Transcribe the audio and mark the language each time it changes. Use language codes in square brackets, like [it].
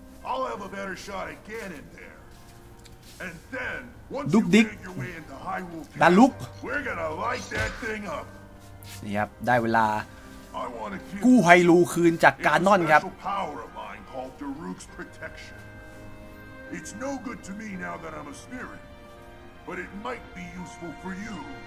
[en] I'll have a better shot at Ganon there. And then, once you make your way into Hyrule Castle, we're gonna light that thing up. [th] นี่ครับได้เวลากู้ไฮรูคืนจากการนอนครับ [en] It's a power of mine called Daruk's protection. It's no good to me now that I'm a spirit, but it might be useful for you.